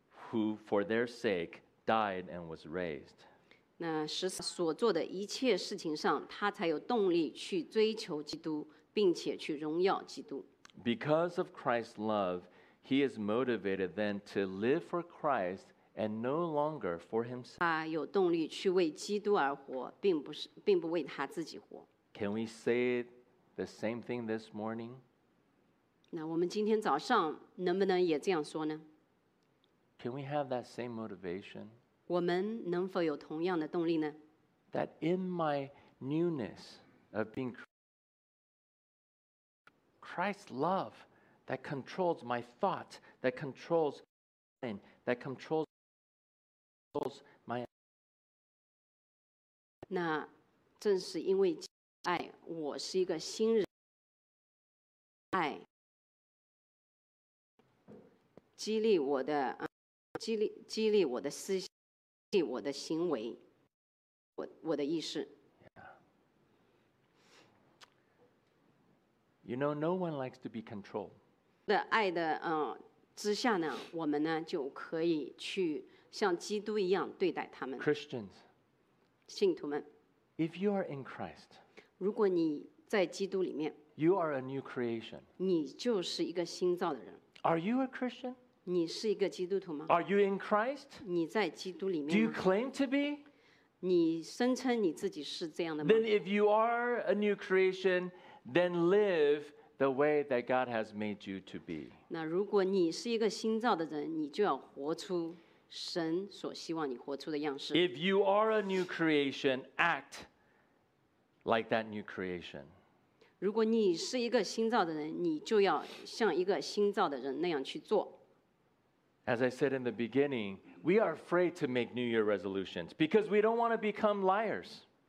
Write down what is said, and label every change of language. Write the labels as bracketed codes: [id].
[en] Who for their sake died and was raised. [zh] 那使所做的一切事情上，他才有动力去追求基督，并且去荣耀基督。 [en] Because of Christ's love, he is motivated then to live for Christ and no longer for himself. [zh] 他有动力去为基督而活，并不为他自己活。 [en] Can we say the same thing this morning? [zh] 那我们今天早上能不能也这样说呢？ [en] Can we have that same motivation? [zh] 我们能否有同样的动力呢？ [en] That in my newness of being Christ's love that controls my thought, that controls my mind, that controls my [zh] 那正是因为爱，我是一个新人，爱激励我的激励我的思想，激励我的行为，我的意识。 [en] You know, no one likes to be controlled. [zh] 的爱的之下呢，我们呢就可以去像基督一样对待他们。 [en] Christians, [zh] 信徒们 [en] ，If you are in Christ, [zh] 如果你在基督里面 [en] ，You are a new creation. [zh] 你就是一个新造的人。 [en] Are you a Christian? [zh] 你是一个基督徒吗？ [en] Are you in Christ? [zh] 你在基督里面吗？ [en] Do you claim to be? [zh] 你声称你自己是这样的吗？ [en] Then if you are a new creation, then live the way that God has made you to be. [zh] 那如果你是一个新造的人，你就要活出神所希望你活出的样式。 [en] If you are a new creation, act like that new creation. [zh] 如果你是一个新造的人，你就要像一个新造的人那样去做。 [en] As I said in the beginning, we are afraid to make New Year resolutions because we don't want to become liars.